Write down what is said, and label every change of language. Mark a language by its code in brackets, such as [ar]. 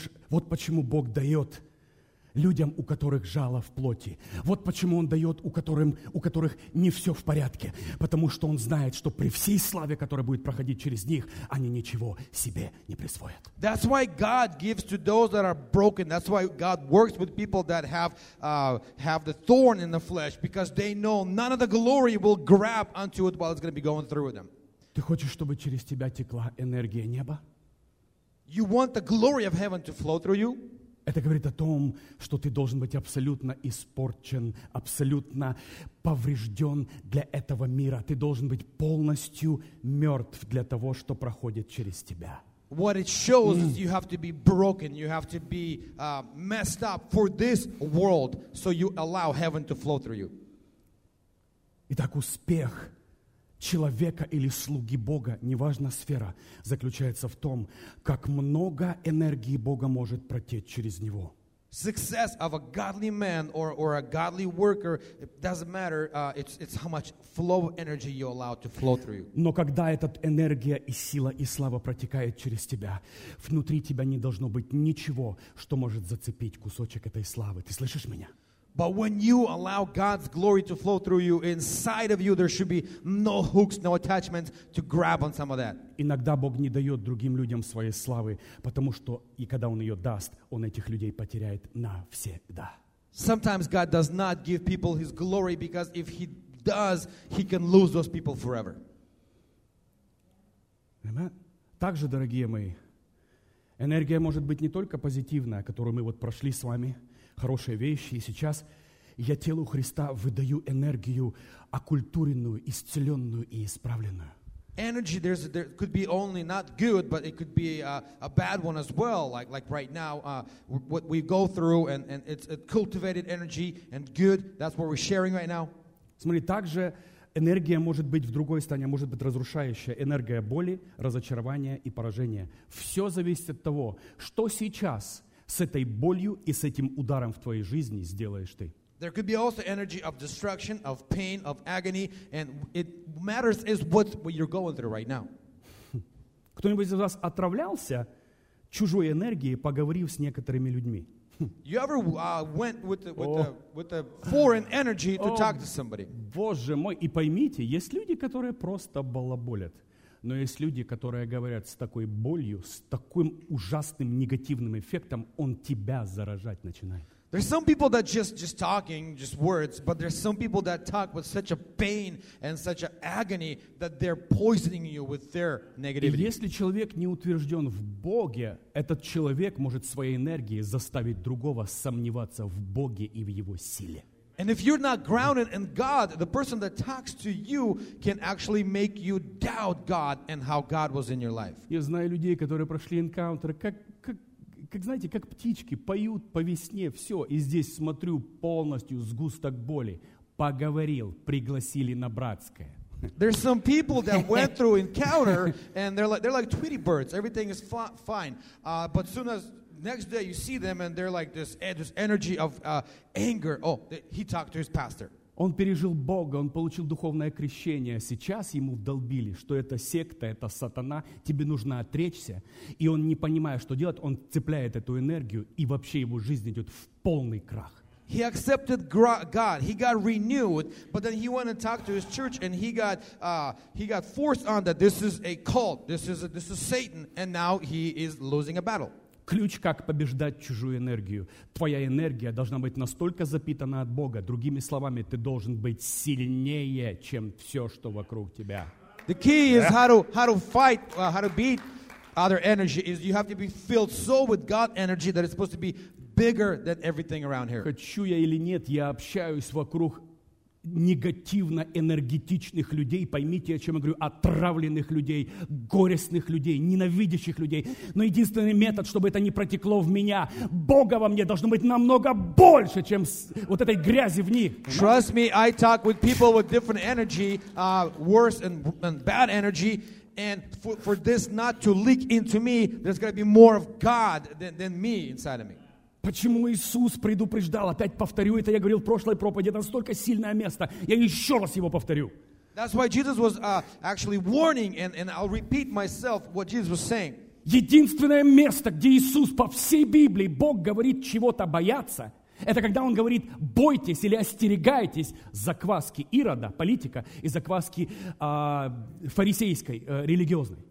[ru] Вот почему Бог дает людям, у которых жало в плоти. Вот почему Он дает, у которых не все в порядке. Потому что Он знает, что при всей славе, которая будет проходить через них, они ничего себе не присвоят. [en] That's why God gives to those that are broken. That's why God works with people that have the thorn in the flesh. Because they know none of the glory will grab onto it while it's going to be going through them. [ru] Ты хочешь, чтобы через тебя текла энергия неба? [en] You want the glory of heaven to flow through you? [ru] Это говорит о том, что ты должен быть абсолютно испорчен, абсолютно поврежден для этого мира. Ты должен быть полностью мертв для того, что проходит через тебя. [en] What it shows is you have to be broken, you have to be messed up for this world, so you allow heaven to flow through you. [ru] Итак, успех человека или слуги Бога, неважно сфера, заключается в том, как много энергии Бога может протечь через него. [en] Success of a godly man or a godly worker, it doesn't matter, it's how much flow of energy you allow to flow through you. [ru] Но когда эта энергия и сила и слава протекает через тебя, внутри тебя не должно быть ничего, что может зацепить кусочек этой славы. Ты слышишь меня? [en] But when you allow God's glory to flow through you, inside of you, there should be no hooks, no attachments to grab on some of that. [ru] Иногда Бог не дает другим людям своей славы, потому что и когда Он ее даст, Он этих людей потеряет навсегда. [en] Sometimes God does not give people His glory because if He does, He can lose those people forever. Amen. [ru] Также, дорогие мои, энергия может быть не только позитивная, которую мы вот прошли с вами, хорошие вещи. И сейчас я телу Христа выдаю энергию, окультуренную, исцеленную и исправленную. [en] Energy there could be only not good, but it could be a bad one as well. Like right now, what we go through, and it's a cultivated energy and good. That's what we're sharing right now. [ru] Смотри, также энергия может быть в другой стороне, может быть разрушающая. Энергия боли, разочарования и поражения. Все зависит от того, что сейчас с этой болью и с этим ударом в твоей жизни сделаешь ты. [en] There could be also energy of destruction, of pain, of agony, and it matters is what you're going through right now. [ru] Кто-нибудь из вас отравлялся чужой энергией, поговорив с некоторыми людьми? [en] You ever went with a foreign energy to talk to somebody? [ru] Боже мой, и поймите, есть люди, которые просто балаболят. Но есть люди, которые говорят с такой болью, с таким ужасным негативным эффектом, он тебя заражать начинает. [en] There's some people that just talking, just words, but there's some people that talk with such a pain and such an agony that they're poisoning you with their negativity. [ru] И если человек не утвержден в Боге, этот человек может своей энергией заставить другого сомневаться в Боге и в Его силе. [en] And if you're not grounded in God, the person that talks to you can actually make you doubt God and how God was in your life. [ru] Я знаю людей, которые прошли энкаунтер, как знаете, как птички поют по весне, все. И здесь смотрю полностью сгусток боли. Поговорил, пригласили на братское. [en] There's some people that went through encounter and they're like Tweety birds. Everything is fine, but soon as next day you see them and they're like this energy of anger. Oh, he talked to his pastor. [ru] Он пережил Бога, он получил духовное крещение. Сейчас ему вдолбили, что это секта, это сатана, тебе нужно отречься. И он, не понимая, что делать, он цепляет эту энергию, и вообще его жизнь идет в полный крах. [en] He accepted God, he got renewed, but then he went and talked to his church, and he got forced on that this is a cult, this is Satan, and now he is losing a battle. [ru] Ключ, как побеждать чужую энергию. Твоя энергия должна быть настолько запитана от Бога. Другими словами, ты должен быть сильнее, чем все, что вокруг тебя. [en] The key is how to fight, how to beat other energy is you have to be filled so with God energy that it's supposed to be bigger than everything around here. [ru] Хочу я или нет, я общаюсь вокруг негативно энергетичных людей, поймите, о чем я говорю, отравленных людей, горестных людей, ненавидящих людей. Но единственный метод, чтобы это не протекло в меня, Бога во мне должно быть намного больше, чем вот этой грязи в них. [en] Trust me, I talk with people with different energy, worse and bad energy, and for this not to leak into me, there's got to be more of God than me inside of me. [ru] Почему Иисус предупреждал? Опять повторю, это я говорил в прошлой проповеди. Это настолько сильное место. Я еще раз его повторю. [en] That's why Jesus was actually warning, and I'll repeat myself what Jesus was saying. [ru] Единственное место, где Иисус по всей Библии, Бог говорит чего-то бояться, это когда Он говорит бойтесь или остерегайтесь закваски Ирода, политика, и закваски фарисейской, религиозной.